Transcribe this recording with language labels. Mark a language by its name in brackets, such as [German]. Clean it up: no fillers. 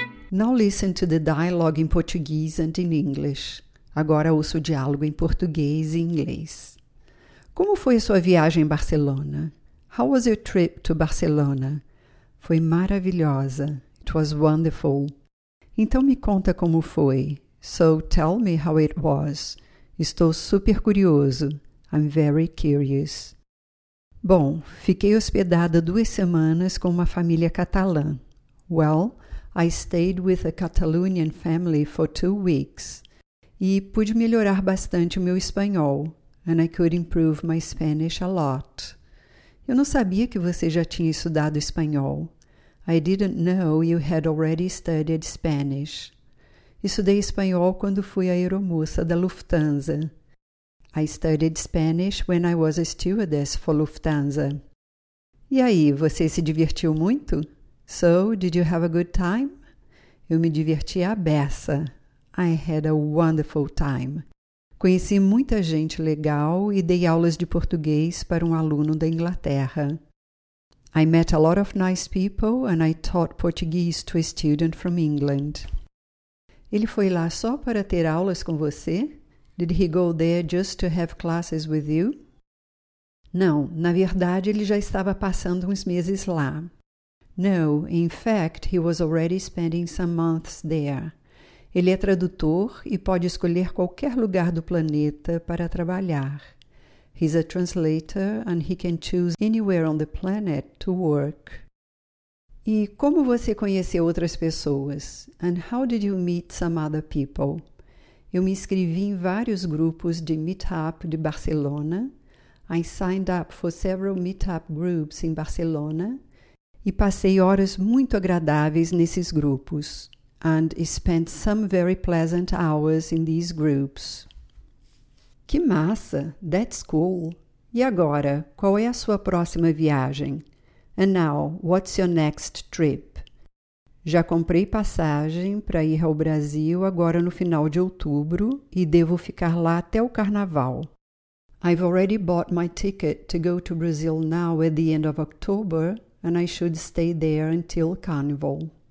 [English] Now listen to the dialogue in Portuguese and in English. [Portuguese] Agora ouço o diálogo em português e inglês. Como foi a sua viagem a Barcelona? [English] How was your trip to Barcelona? [Portuguese] Foi maravilhosa. [English] It was wonderful. [Portuguese] Então me conta como foi. [English] So tell me how it was. [Portuguese] Estou super curioso. [English] I'm very curious. [Portuguese] Bom, fiquei hospedada 2 semanas com uma família catalã. [English] Well, I stayed with a Catalonian family for 2 weeks. [Portuguese] E pude melhorar bastante o meu espanhol. [English] And I could improve my Spanish a lot. [Portuguese] Eu não sabia que você já tinha estudado espanhol. [English] I didn't know you had already studied Spanish. [Portuguese] Estudei espanhol quando fui à aeromoça da Lufthansa. [English] I studied Spanish when I was a stewardess for Lufthansa. [Portuguese] E aí, você se divertiu muito? [English] So, did you have a good time? [Portuguese] Eu me diverti à beça. [English] I had a wonderful time. [Portuguese] Conheci muita gente legal e dei aulas de português para um aluno da Inglaterra. [English] I met a lot of nice people and I taught Portuguese to a student from England. [Portuguese] Ele foi lá só para ter aulas com você? [English] Did he go there just to have classes with you? [Portuguese] Não, na verdade ele já estava passando uns meses lá. [English] No, in fact, he was already spending some months there. [Portuguese] Ele é tradutor e pode escolher qualquer lugar do planeta para trabalhar. [English] He's a translator and he can choose anywhere on the planet to work. [Portuguese] E como você conheceu outras pessoas? [English] And how did you meet some other people? [Portuguese] Eu me inscrevi em vários grupos de Meetup de Barcelona. [English] I signed up for several Meetup groups in Barcelona. [Portuguese] E passei horas muito agradáveis nesses grupos. [English] And spent some very pleasant hours in these groups. [Portuguese] Que massa! [English] That's cool! [Portuguese] E agora, qual é a sua próxima viagem? [English] And now, what's your next trip? [Portuguese] Já comprei passagem para ir ao Brasil agora no final de outubro e devo ficar lá até o carnaval. [English] I've already bought my ticket to go to Brazil now at the end of October, and I should stay there until Carnival.